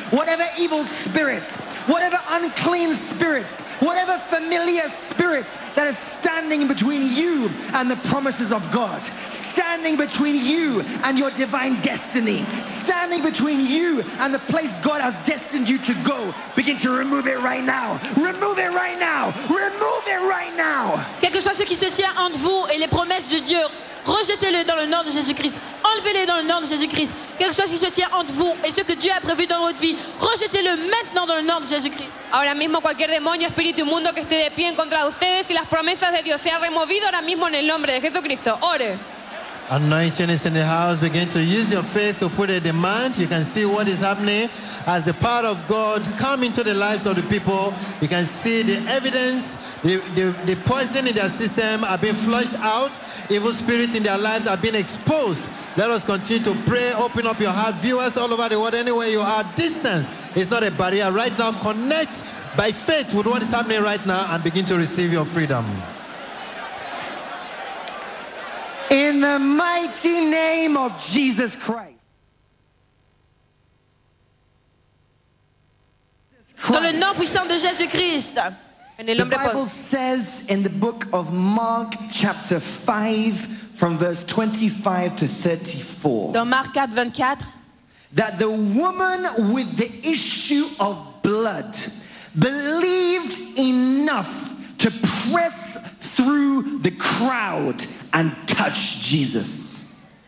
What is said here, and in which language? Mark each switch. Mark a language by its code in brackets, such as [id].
[en] Whatever evil spirits, whatever unclean spirits, whatever familiar spirits that is standing between you and the promises of God, standing between you and your divine destiny, standing between you and the place God has destined you to go, begin to remove it right now. Remove it right now. Remove it right now. [fr] Quel que soit ce qui se tient entre vous et les promesses de Dieu, rejetez-les dans le nom de Jésus-Christ. Enlevez-les dans le nom de Jésus-Christ. Quel que soit ce qui se tient entre vous et ce que Dieu a prévu dans votre vie, rejetez-le maintenant dans le nom de Jésus-Christ. [es] Ahora mismo cualquier demonio, espíritu mundo que esté de pie en contra de ustedes y las promesas de Dios sea removido ahora mismo en el nombre de Jesucristo. Ore. [en] Anointing is in the house. Begin to use your faith to put a demand. You can see what is happening as the power of God come into the lives of the people. You can see the evidence, the poison in their system are being flushed out. Evil spirits in their lives are being exposed. Let us continue to pray. Open up your heart. Viewers all over the world, anywhere you are, distance is not a barrier. Right now, connect by faith with what is happening right now and begin to receive your freedom. In in the mighty name of Jesus Christ. [fr] Dans le nom puissant de Jésus-Christ. [en] The Bible says in the book of Mark chapter 5 from verse 25 to 34. [fr] Dans Marc 4, 24. [en] That the woman with the issue of blood believed enough to press through the crowd and touch Jesus.